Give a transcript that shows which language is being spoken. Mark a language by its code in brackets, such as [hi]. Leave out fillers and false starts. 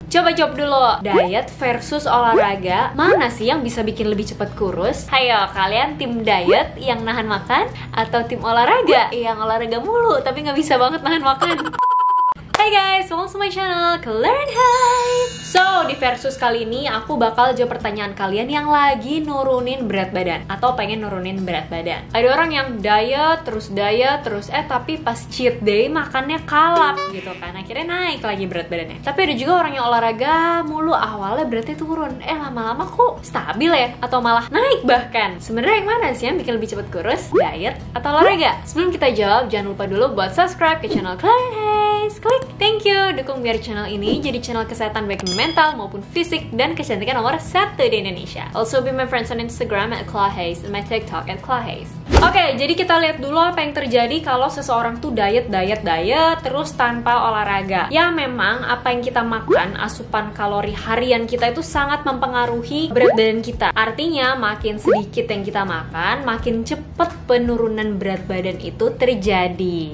[id] Coba jawab dulu, diet versus olahraga, mana sih yang bisa bikin lebih cepat kurus? Hayo, kalian tim diet yang nahan makan atau tim olahraga yang olahraga mulu tapi gak bisa banget nahan makan? [en] Hai guys, welcome to my channel, Claire Hive. [id] So, di versus kali ini aku bakal jawab pertanyaan kalian yang lagi nurunin berat badan atau pengen nurunin berat badan. Ada orang yang diet, terus tapi pas cheat day makannya kalap gitu kan, akhirnya naik lagi berat badannya. Tapi ada juga orang yang olahraga mulu, awalnya beratnya turun, lama-lama kok stabil ya, atau malah naik bahkan. Sebenarnya yang mana sih yang bikin lebih cepat kurus, diet atau olahraga? Sebelum kita jawab, jangan lupa dulu buat subscribe ke channel Claire Hive. Klik thank you, dukung biar channel ini jadi channel kesehatan baik mental maupun fisik dan kecantikan nomor 1 di Indonesia. [en] Also be my friends on Instagram at @clawhaze and my TikTok at @clawhaze. [id] Okay, jadi kita lihat dulu apa yang terjadi kalau seseorang tuh diet terus tanpa olahraga. Ya memang apa yang kita makan, asupan kalori harian kita itu sangat mempengaruhi berat badan kita. Artinya makin sedikit yang kita makan, makin cepet penurunan berat badan itu terjadi.